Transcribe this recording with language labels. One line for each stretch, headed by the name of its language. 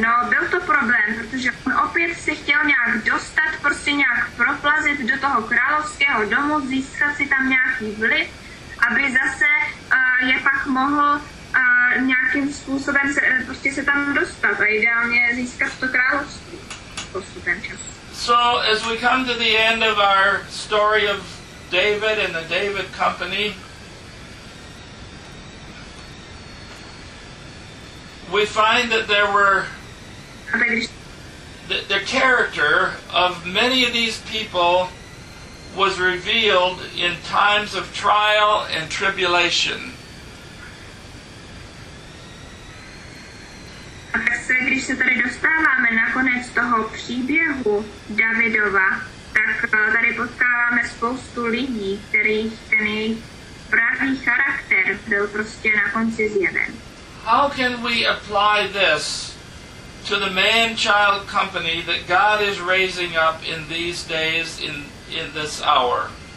Czech: No, byl to problém, protože on opět si chtěl nějak dostat, prostě nějak proplazit do toho královského domu, získat si tam nějaký vliv, aby zase je pak mohl nějakým způsobem se, prostě se tam dostat a ideálně získat to království. postupem času.
English: So as we come to the end of our story of David and the David Company, we find that there were the character of many of these people was revealed in times of trial and tribulation.
Czech: A zase, když se tady dostáváme na konec toho příběhu Davidova, tak tady potkáváme spoustu lidí, kterých ten jejich pravý charakter byl prostě na konci zjeven.
English: How can we apply this to the man-child company that God is raising up in these days, in this hour?